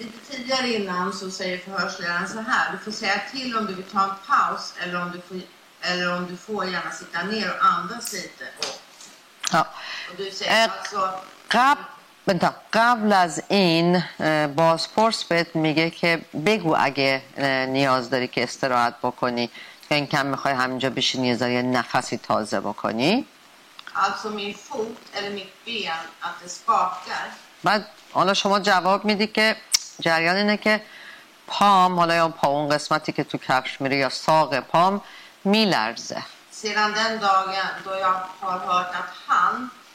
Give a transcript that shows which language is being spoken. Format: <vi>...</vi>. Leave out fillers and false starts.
<sv>tidigare innan så säger förhörsledaren så här du får säga till om du vill ta en paus eller om du får gärna sitta ner och andas lite ja du säger alltså</sv> <fa>قبل از این بازپرس بهت میگه که بگو اگه نیاز داری که استراحت بکنی یا این کم میخوای همینجا بشینی یه ذره نفسی تازه بکنی</fa> <sv>alltså min fot eller mitt ben att det skakar</sv> <fa>بعد حالا شما جواب میدی که جریان اینه که پام حالا یا پا اون قسمتی که تو کفش میره یا ساق پام میلرزه</fa> <sv>sedan den dagen då jag har hört att han</sv>